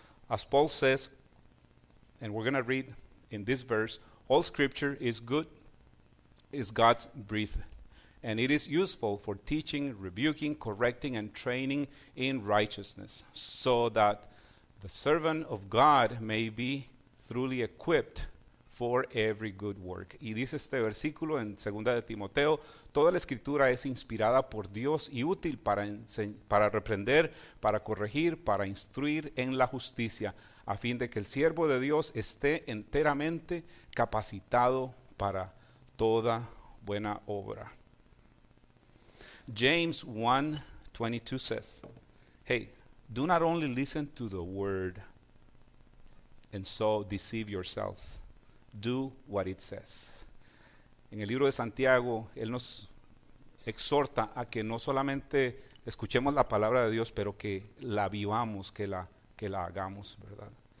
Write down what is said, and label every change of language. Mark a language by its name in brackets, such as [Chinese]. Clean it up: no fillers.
[English] As Paul says, and we're going to read in this verse, all scripture is good, is God's breathed, and it is useful for teaching, rebuking, correcting, and training in righteousness, so that the servant of God may be thoroughly equipped for every good work. [Spanish] Y dice este versículo en 2 de Timoteo, toda la escritura es inspirada por Dios y útil para reprender, para corregir, para instruir en la justicia, a fin de que el siervo de Dios esté enteramente capacitado para toda buena obra. [English] James 1:22 says, hey, do not only listen to the word and so deceive yourselves. Do what it says. [Spanish] En el libro de Santiago, él nos exhorta a que no solamente escuchemos la palabra de Dios, pero que la vivamos, que la hagamos, ¿verdad?